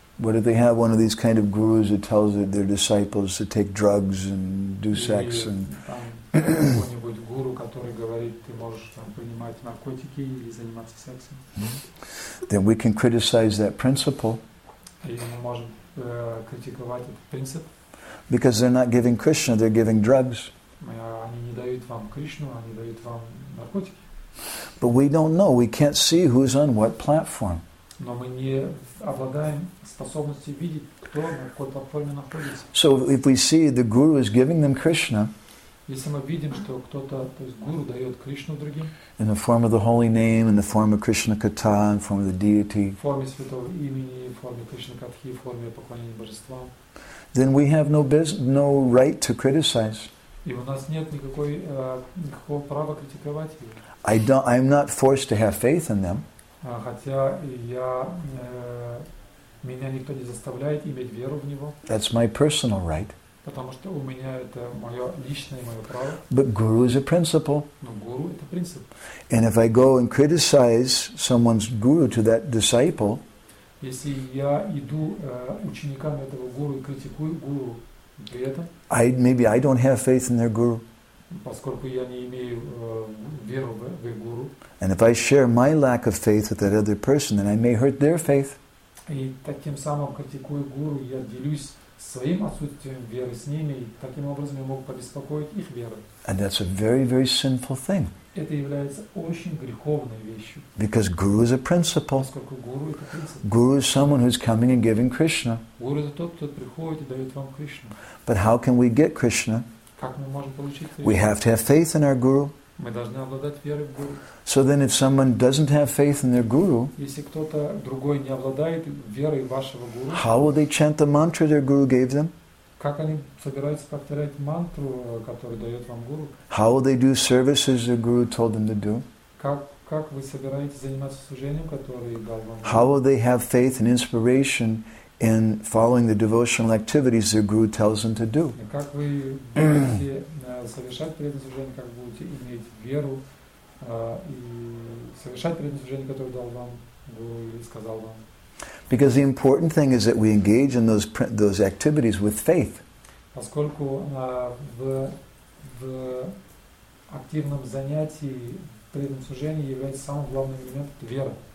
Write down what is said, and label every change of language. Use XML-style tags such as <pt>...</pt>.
<en>What if they have one of these kind of gurus that tells their disciples to take drugs and do sex and?</en> <ru>Какой-нибудь гуру, который говорит, ты можешь там принимать наркотики или заниматься сексом?</ru> <en>Then we can criticize that principle.</en> <ru>И мы можем критиковать этот принцип.</ru> <en>Because they're not giving Krishna, they're giving drugs.</en> <ru>Они не дают вам Кришну, они дают вам наркотики.</ru> <en>But we don't know. We can't see who's on what platform.</en> <ru>Но мы не обладаем способностью видеть, кто на какой платформе находится.</ru> <en>So if we see the guru is giving them Krishna,</en> <ru>если мы видим, что кто-то, то есть гуру дает Кришну другим,</ru> <en>in the form of the holy name, in the form of Krishna Katha, in the form of the deity,</en> <ru>в форме святого имени, в форме Кришна Катхи, в форме поклонения божествам,</ru> <en>then we have no right to criticize.</en> <ru>И у нас нет никакого права критиковать его.</ru> <en>I'm not forced to have faith in them.</en> <ru>Хотя я меня никто не заставляет иметь веру в него.</ru> <en>That's my personal right.</en> <ru>Потому что у меня это мое личное мое право.</ru> <en>But guru is a principle.</en> <ru>Но гуру это принцип.</ru> <en>And if I go and criticize someone's guru to that disciple,</en> <ru>если я иду ученикам этого гуру и критикую гуру.</ru> <en>Maybe I don't have faith in their guru.</en> <ru>Поскольку я не имею веру в их гуру.</ru> <en>And if I share my lack of faith with that other person, then I may hurt their faith.</en> <ru>И таким самым критикую гуру, я делюсь своим отсутствием веры с ними, и таким образом я могу побеспокоить их веру.</ru> <en>And that's a very, very sinful thing.</en> <ru>Это является очень греховной вещью.</ru> <en>Because guru is a principle.</en> <ru>Поскольку гуру это принцип.</ru> <en>Guru is someone who's coming and giving Krishna.</en> <ru>Гуру это тот, кто приходит и дает вам Кришну.</ru> <en>But how can we get Krishna?</en> <ru>Как мы можем получить Кришну?</ru> <en>We have to have faith in our guru.</en> <ru>Мы должны обладать верой в гуру.</ru> <en>So then if someone doesn't have faith in their guru,</en> <ru>если кто-то другой не обладает верой вашего гуру,</ru> <en>how will they chant the mantra their guru gave them?</en> <ru>Как они собираются повторять мантру, которую дает вам гуру?</ru> <en>How will they do services their guru told them to do?</en> <ru>Как вы собираетесь заниматься служением, которое дал вам гуру?</ru> <en>How will they have faith and inspiration in following the devotional activities their guru tells them to do?</en> <ru>Как вы будете совершать преданное служение, как будете иметь веру и совершать преданное служение, которое дал вам гуру или сказал вам?</ru> <en>Because the important thing is that we engage in those activities with faith.</en> <ru>Поскольку в активном занятии преданном служении является самым главным элементом веры.</ru>